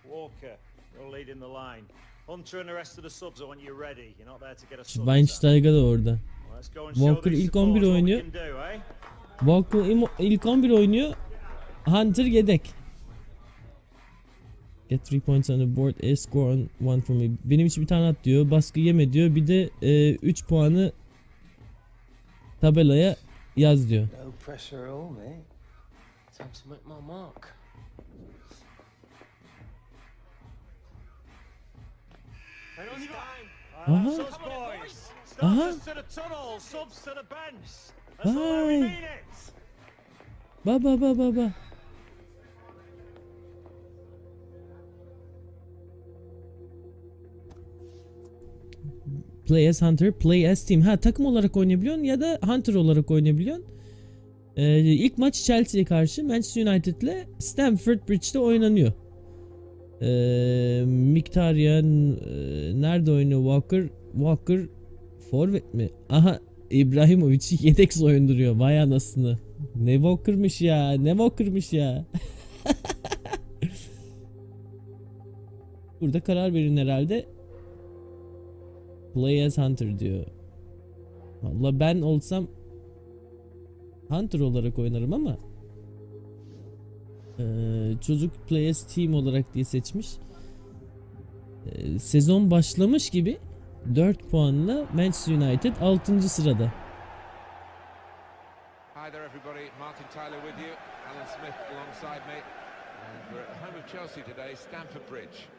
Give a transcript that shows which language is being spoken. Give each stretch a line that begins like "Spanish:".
English: Walker, you're leading the line. Hunter and the rest of the subs, I want you ready. You're not there to get a sub.
Turkish: Schweinsteiger da orada. Walker ilk 11 oynuyor. Walker ilk 11 oynuyor. Hunter yedek.
English: Get 3 points on the board, a score on one for me.
Turkish: Benim için bir tane at diyor, baskı yeme diyor, bir de 3 puanı tabelaya yaz diyor.
English: No pressure at all, mate. Time to make my mark. It's time. Aha. Subs boys. Aha. Subs to the tunnel, subs to the bench. That's all we mean it. Ba. Play as Hunter, play as team.
Turkish: Ha, takım olarak oynayabiliyorsun ya da Hunter olarak oynayabiliyorsun. İlk maç Chelsea'ye karşı Manchester United ile Stamford Bridge'de oynanıyor. Mkhitaryan nerede oynuyor? Walker, Walker forvet mi? Aha, İbrahimovic yedek oynuyor. Vay anasını. Ne Walker'mış ya? Ne Walker'mış ya? Burada karar verin herhalde.
English: Play as Hunter
Turkish: diyor. Valla ben olsam Hunter olarak oynarım ama çocuk
English: play as team
Turkish: olarak diye seçmiş. Sezon başlamış gibi 4 puanla Manchester United 6. sırada.
English: Hi there everybody, Martin Tyler with you. Alan Smith alongside me. We're at the home of Chelsea today, Stamford Bridge.